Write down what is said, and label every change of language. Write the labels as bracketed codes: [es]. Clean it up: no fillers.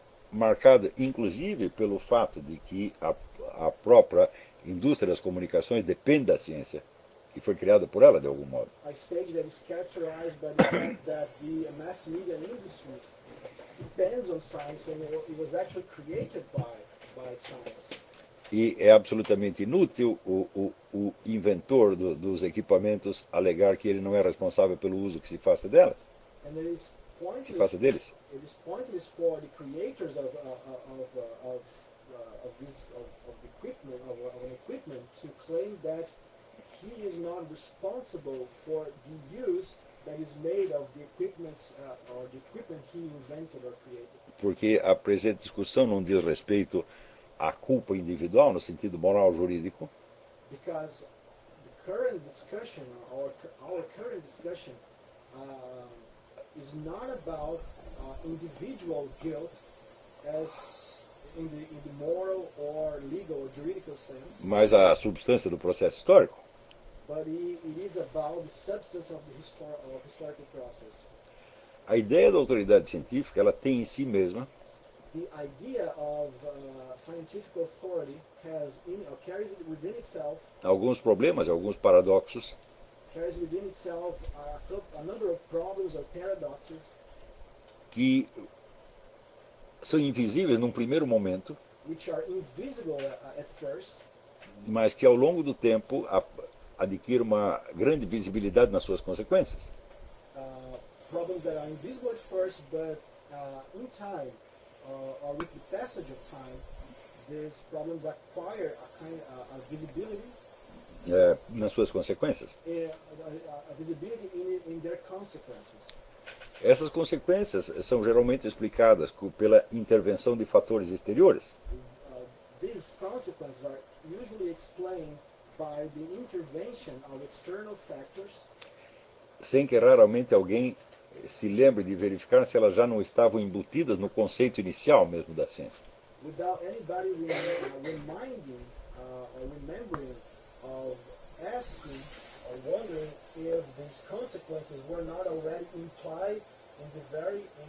[pt] Marcada, inclusive, pelo fato de que a própria indústria das comunicações depende da ciência, que foi criada por ela, de algum modo. [en] A stage that is characterized by the fact that the mass media industry depends on science and it was actually created by science. [pt] E é absolutamente inútil o inventor dos equipamentos alegar que ele não é responsável pelo uso que se faça delas. [en] And it is pointless, [pt] que faça deles. [en] It is pointless for the creators of the equipment of an equipment to claim that he is not responsible for the use that is made of the equipment or the equipment he invented or created. [pt] Porque a presente discussão não diz respeito à culpa individual no sentido moral jurídico. [en] Because the current discussion or our current discussion is not about individual guilt as in the moral or legal or juridical sense. [pt] Mas a substância do processo histórico. [en] But it is about the substance of the historical process. [pt] A ideia da autoridade científica, ela tem em si mesma [en] the idea of scientific authority has in or carries within itself [pt] alguns problemas, alguns paradoxos. [en] Carries within itself a number of problems or paradoxes [pt] que são invisíveis num primeiro momento, [en] which are invisible at first, [pt] mas que ao longo do tempo adquirem uma grande visibilidade nas suas consequências. [en] Problems that are invisible at first, but in time, or with the passage of time, these problems acquire a kind of a visibility [pt] nas suas consequências. [en] A visibility in their consequences. [pt] Essas consequências são geralmente explicadas pela intervenção de fatores exteriores. [en] These consequences are usually explained by the intervention of external factors. [pt] Sem que raramente alguém se lembre de verificar se elas já não estavam embutidas no conceito inicial mesmo da ciência. [en] Without anybody reminding or remembering of asking or wondering if these consequences were not already implied in the very